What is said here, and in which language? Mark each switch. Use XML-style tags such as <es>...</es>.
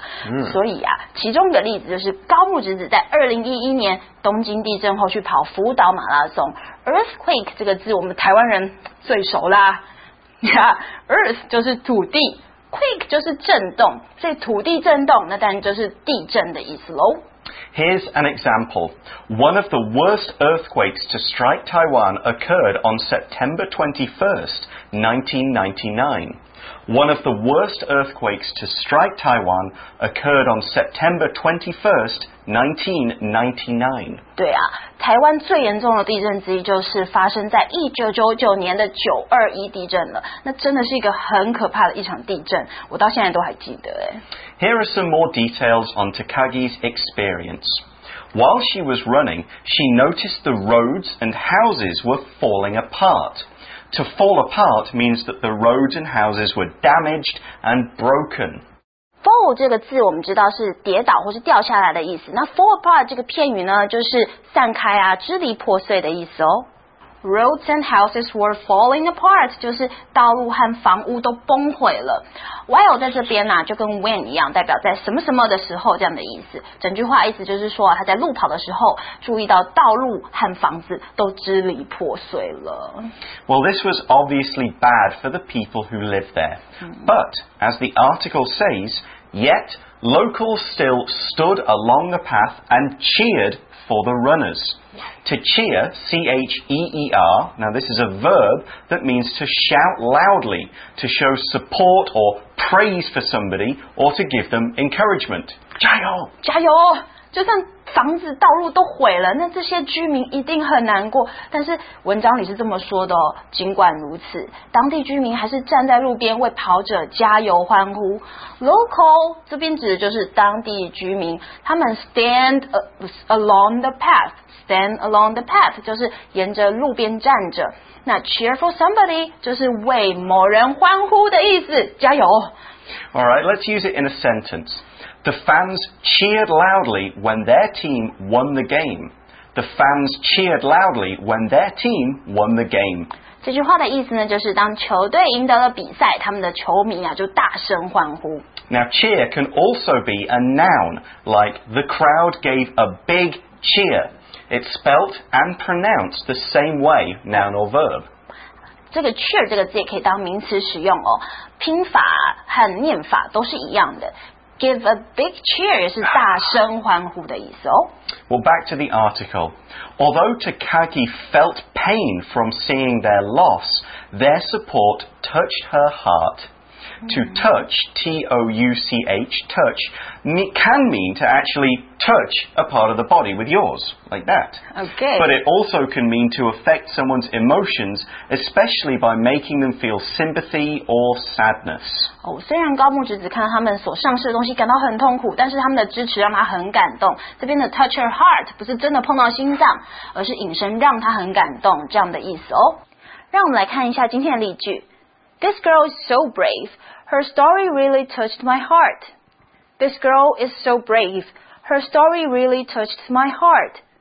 <zh>Yeah,、所以啊，其中一个例子就是高木直子在2011年东京地震后去跑福岛马拉松。 Earthquake 这个字我们台湾人最熟啦。Yeah, Earth 就是土地 Quake 就是震动，所以土地震动，那当然就是地震的意思咯。</zh> <en>Here's an example. One of the worst earthquakes to strike Taiwan occurred on September 21st, 1999. One of the worst earthquakes to strike Taiwan occurred on September 21st, 1999.</en> <zh>对啊，台湾最严重的地震之一就是发生在1999年的921地震了。那真的是一个很可怕的一场地震，我到现在都还记得耶。</zh> <en>Here are some more details on Takagi's experience. While she was running, she noticed the roads and houses were falling apart. To fall apart means that the roads and houses were damaged and broken.</en> <zh>Fall 这个字我们知道是跌倒或是掉下来的意思。那 fall apart 这个片语呢，就是散开啊，支离破碎的意思哦。</zh> <en>Roads and houses were falling apart,</en> <zh>就是道路和房屋都崩毁了。 While 在这边呢、啊，就跟 when 一样，代表在什么什么的时候这样的意思。整句话意思就是说、啊，他在路跑的时候，注意到道路和房子都支离破碎了。</zh> <en>Well, this was obviously bad for the people who lived there. But, as the article says, yet, locals still stood along the path and cheered for the runners. To cheer, C-H-E-E-R, now this is a verb that means to shout loudly, to show support or praise for somebody, or to give them encouragement.</en> <zh>加油！加油！就算房子、道路都毁了，那这些居民一定很难过。但是文章里是这么说的哦，尽管如此，当地居民还是站在路边为跑者加油欢呼。 Local 这边指的就是当地居民，他们</zh> <en>stand along the path。 Stand along the path</en> <zh>就是沿着路边站着。那</zh> <en>cheer for somebody</en> <zh>就是为某人欢呼的意思。加油。</zh> <en>All right, let's use it in a sentence. The fans cheered loudly when their team won the game. The fans cheered loudly when their team won the game.</en> <zh>这句话的意思呢，就是当球队赢得了比赛，他们的球迷啊就大声欢呼。</zh> <en>Now cheer can also be a noun, like the crowd gave a big cheer. It's spelt and pronounced the same way, noun or verb.</en> <zh>这个 cheer 这个字也可以当名词使用哦，拼法和念法都是一样的。</zh> <en>Give a big cheer</en> <zh>是大声欢呼的意思哦。</zh> <en>Well, back to the article. Although Takagi felt pain from seeing their loss, their support touched her heart. To touch, T-O-U-C-H, touch, can mean to actually touch a part of the body with yours, like that. Okay. But it also can mean to affect someone's emotions, especially by making them feel sympathy or sadness.</en> <zh>Oh, 虽然高木直子看到他们所丧失的东西感到很痛苦，但是他们的支持让他很感动。这边的</zh> <en>touch her heart</en> <zh>不是真的碰到心脏，而是引申让他很感动这样的意思哦。让我们来看一下今天的例句。</zh> <en>This girl is so brave. Her story really touched my heart. This girl is so brave. Her story really touched my heart.</en>